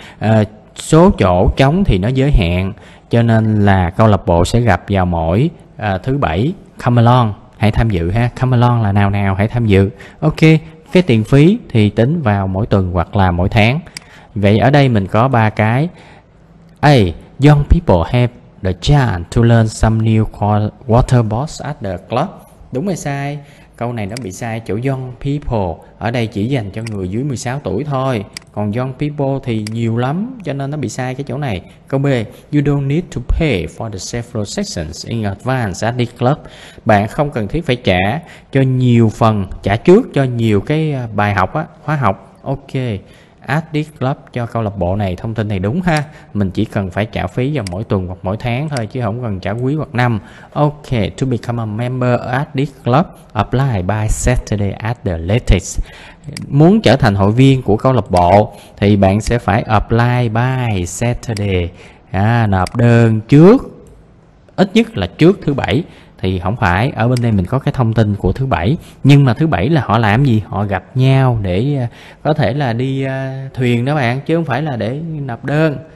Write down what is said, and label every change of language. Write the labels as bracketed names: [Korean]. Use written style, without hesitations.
[Vietnamese] À, số chỗ trống thì nó giới hạn, cho nên là câu lạc bộ sẽ gặp vào mỗi thứ bảy. [English] Come along, [Vietnamese] hãy tham dự ha. Come along là nào nào, hãy tham dự. Ok, cái tiền phí thì tính vào mỗi tuần hoặc là mỗi tháng. Vậy ở đây mình có ba cái. [English] A, young people have the chance to learn some new water sports at the club. [Vietnamese] Đúng hay sai? Câu này nó bị sai chỗ [English] young people. [Vietnamese] Ở đây chỉ dành cho người dưới 16 tuổi thôi. Còn [English] young people [Vietnamese] thì nhiều lắm, cho nên nó bị sai cái chỗ này. [English] Câu B, you don't need to pay for the several sessions in advance at the club. [Vietnamese] Bạn không cần thiết phải trả cho nhiều phần, trả trước cho nhiều cái bài học á, khóa học. Ok, [English] at the club [Vietnamese] cho câu lạc bộ này, thông tin này đúng ha. Mình chỉ cần phải trả phí vào mỗi tuần hoặc mỗi tháng thôi, chứ không cần trả quý hoặc năm. [English] Ok, to become a member at the club, apply by Saturday at the latest. [Vietnamese] Muốn trở thành hội viên của câu lạc bộ thì bạn sẽ phải [English] apply by Saturday, [Vietnamese] nộp đơn trước, ít nhất là trước thứ bảy. Thì không phải, ở bên đây mình có cái thông tin của thứ bảy. Nhưng mà thứ bảy là họ làm gì? Họ gặp nhau để có thể là đi thuyền đó bạn, chứ không phải là để nộp đơn.